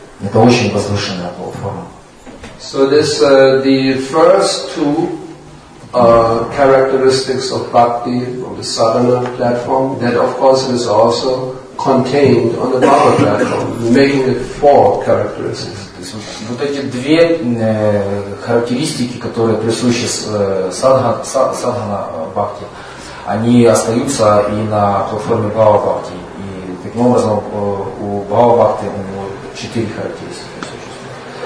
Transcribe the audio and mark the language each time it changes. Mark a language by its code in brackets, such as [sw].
[ru] Это очень возвышенная платформа. [en] So this the first two characteristics of bhakti on the sadhana platform, that of course is also contained on the bhava platform, making it four characteristics. [ru] Вот эти две характеристики, которые присущи садхана бхакти, они остаются и на платформе Бхава Бхакти. И таким образом у Бхава Бхакти у него четыре характеристики существуют.